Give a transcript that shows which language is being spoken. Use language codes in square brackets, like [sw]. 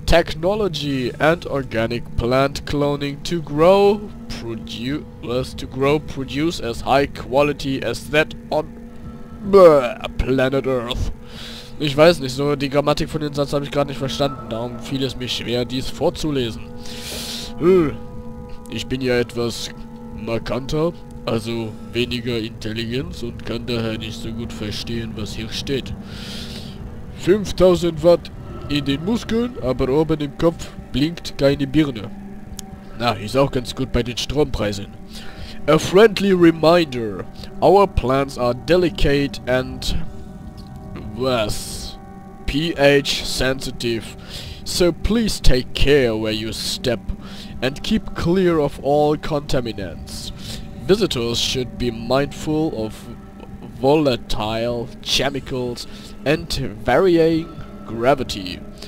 [en] Technology and organic plant cloning to grow, produce as high quality as that on Planet Earth. [de] Ich weiß nicht, so die Grammatik von dem Satz habe ich gerade nicht verstanden. Darum fiel es mir schwer, dies vorzulesen. Ich bin ja etwas markanter, also weniger Intelligenz und kann daher nicht so gut verstehen, was hier steht. 5000 Watt in den Muskeln, aber oben im Kopf blinkt keine Birne. Na, ist auch ganz gut bei den Strompreisen. [en] A friendly reminder. Our plants are delicate and was pH sensitive. So please take care where you step and keep clear of all contaminants. Visitors should be mindful of volatile chemicals and varying gravity.